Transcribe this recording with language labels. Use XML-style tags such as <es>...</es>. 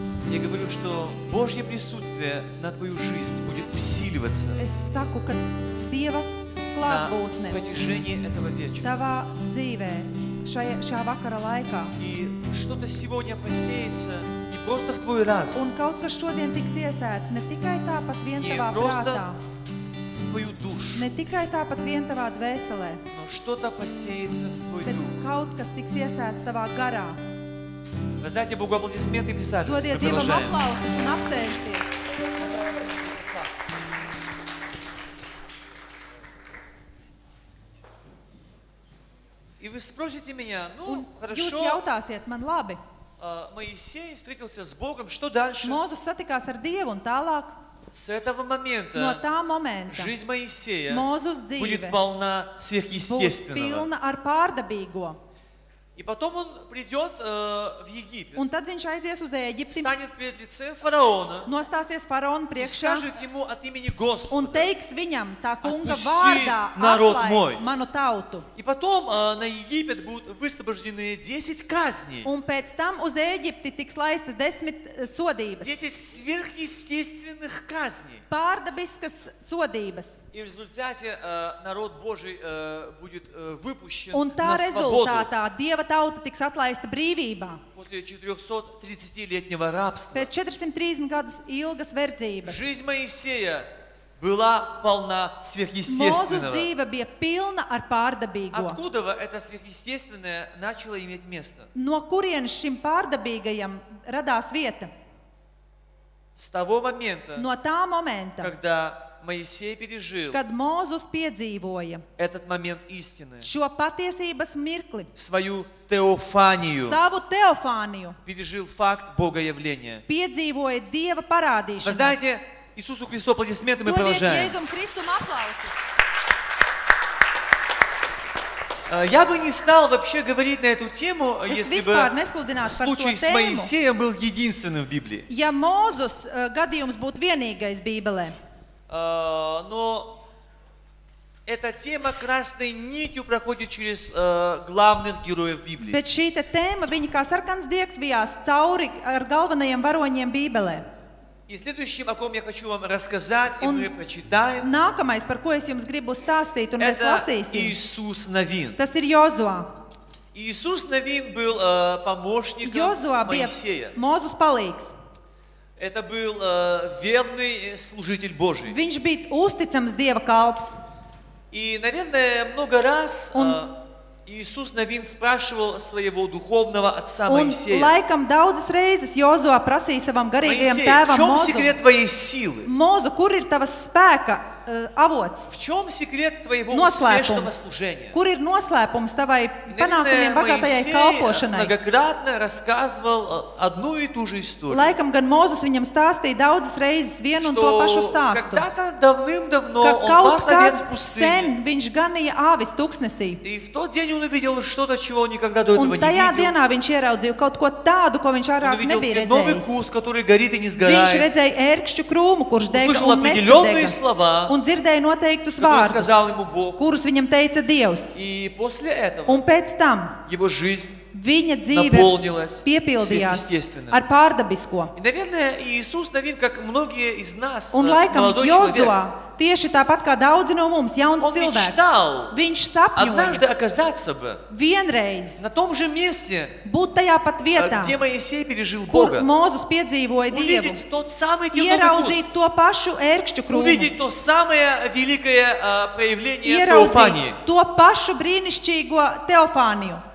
<ru>Я говорю, что Божье присутствие на твою жизнь будет усиливаться.</ru> <lv>Es saku, ka Dieva klātbūtne.</lv> <ru>На протяжении этого вечера.</ru> <lv>Tavā dzīvē. Šā vakara laikā.</lv> <ru>И что-то сегодня посеется не просто в твой разум.</ru> <lv>Un kaut kas šodien tiks iesēts, ne tikai tāpat vien tavā prātā.</lv> <ru>В твою душу.</ru> <lv>Ne tikai tāpat vien tavā dvēselē.</lv> <ru>Но что-то посеется в твой дух.</ru> <lv>Kaut kas tiks iesēts tavā garā.</lv> <ru>Вы знаете, Богу аплодисменты и присаживайтесь.</ru> <lv>Dodiet Dievam aplausus un apsēžieties.</lv> <ru>И вы спросите меня, ну,</ru> <lv>un</lv> <ru>хорошо.</ru> <lv>Jūs jautāsiet man labi.</lv> <ru>Моисей встретился с Богом, что дальше?</ru> <lv>Мозус satikās ar Dievu un tālāk.</lv> <ru>С этого момента.</ru> <lv>No tā momenta.</lv> <ru>Жизнь Моисея.</ru> <lv>Мозус dzīve.</lv> <ru>Будет полна сверхъестественного.</ru> <lv>Būs pilna ar pārdabīgo.</lv> <ru>И потом он придёт в Египет.</ru> <lv>Un tad viņš aizies uz Ēģipti.</lv> <ru>Станет перед лице фараона.</ru> <lv>Nostāsies faraona priekšā.</lv> <ru>Скажет ему от имени Господа.</ru> <lv>Un teiks viņam tā kunga vārdā: "Atlaid manu tautu."</lv> <ru>И потом на Египет будут высвобождены 10 казней.</ru> <lv>Un pēc tam uz Ēģipti tiks laista 10 sodības.</lv> <ru>10 сверхъестественных казней.</ru> <lv>Pārdabiskas sodības.</lv> <ru>И в результате народ Божий будет выпущен на свободу.</ru> <lv>Un tā rezultātā Dieva tauta tiks atlaista brīvībā.</lv> <ru>После 430-летнего рабства.</ru> <lv>Pēc 430 gadus ilgas verdzības.</lv> <ru>Жизнь Моисея была полна сверхъестественного.</ru> <lv>Mozus dzīve bija pilna ar pārdabīgo.</lv> <ru>Откуда это сверхъестественное начало иметь место?</ru> <lv>No kurienes šim pārdabīgajam radās vieta?</lv> <ru>С того момента.</ru> <lv>No tā momenta.</lv> <ru>Когда Моисей пережил.</ru> <lv>Kad Mozus piedzīvoja.</lv> <ru>Этот момент истины.</ru> <lv>Šo patiesības mirkli.</lv> <ru>Свою теофанию.</ru> <lv>Savu teofāniju.</lv> <ru>Пережил факт Бога явления.</ru> <lv>Piedzīvoja Dieva parādīšanos.</lv> <ru>Воздайте Иисусу Христу аплодисменты, мы продолжаем.</ru> <lv>Dodiet Jēzum Kristum aplausus.</lv> <ru>Я бы не стал вообще говорить на эту тему, если бы случай с Моисеем был единственным в Библии.</ru> <lv>Ja Mozus gadījums būtu vienīgais Bībelē.</lv> <ru>Но эта тема красной нитью проходит через главных героев Библии.</ru> <lv>Bet šī te tēma, viņa kā sarkans diegs vijās cauri ar galvenajiem varoņiem Bībelē.</lv> <ru>И следующим, о ком я хочу вам рассказать, и мы прочитаем.</ru> <lv>Nākamais, par ko es jums gribu stāstīt, un mēs lasīsim.</lv> <ru>Это Иисус Навин.</ru> <lv>Tas ir Jozua.</lv> <ru>Иисус Навин был помощником</ru> <lv>Jozua</lv> <ru>Моисея.</ru> <lv>Mozus palīgs.</lv> <ru>Это был верный служитель Божий.</ru> <lv>Viņš bija uzticams Dieva kalps.</lv> <ru>И, наверное, много раз Иисус Навин спрашивал своего духовного отца Моисея.</ru> <lv>Un laikam daudzas reizes Jozua prasīja savam garīgajam tēvam Mozu.</lv> <ru>Моисей, в чём секрет твоей силы?</ru> <lv>Mozu, kur ir tavas spēka avots?</lv> <ru>В чём секрет твоего успешного служения?</ru> <lv>Kur ir noslēpums tavai panākumiem bagātajai kalpošanai?</lv> <ru>Моисей многократно рассказывал одну и ту же историю.</ru> <lv>Laikam gan Mozus viņam stāstīja daudzas reizes vienu un to pašu stāstu.</lv> <ru>Когда-то давным-давно он пас овец в пустыне.</ru> <lv>Kaut kādā sen viņš ganīja āvis tuksnesī.</lv> <ru>И в тот день он увидел что-то, чего никогда до этого не видел.</ru> <lv>Un tajā dienā viņš ieraudzīja kaut ko tādu, ko viņš agrāk nebija redzējis.</lv> <ru>Novi kūs, который горит и не сгорает.</ru> <lv>Viņš redzēja ērkšķu krūmu, kurš dega un nesadega. Un dzirdēja noteiktus vārdus,</lv> <ru>сказал ему Бог,</ru> <lv>kurus viņam teica Dievs.</lv> <ru>И после этого.</ru> <lv>Un pēc tam.</lv> <ru>Его жизнь.</ru> <lv>Viņa dzīve piepildījās ar pārdabisko.</lv> <ru>И, наверное, Иисус Навин, как многие из нас,</ru> <lv>un laikam Jozua, tieši tāpat kā daudzi no mums, jauns</lv> <ru>он</ru> <lv>cilvēks,</lv> <ru>мечтал,</ru> <lv>viņš sapņoja</lv> <ru>однажды оказаться бы,</ru> <lv>vienreiz</lv> <ru>на том же месте,</ru> <lv>būt tajā pat vietā,</lv> <ru>где Моисей пережил Бога,</ru> <lv>kur Mozus piedzīvoja Dievu, ieraudzīt to pašu ērkšķu krūmu,</lv> <ru>увидеть то самое великое проявление теофании,</ru> <lv>ieraudzīt to pašu brīnišķīgo teofāniju.</lv>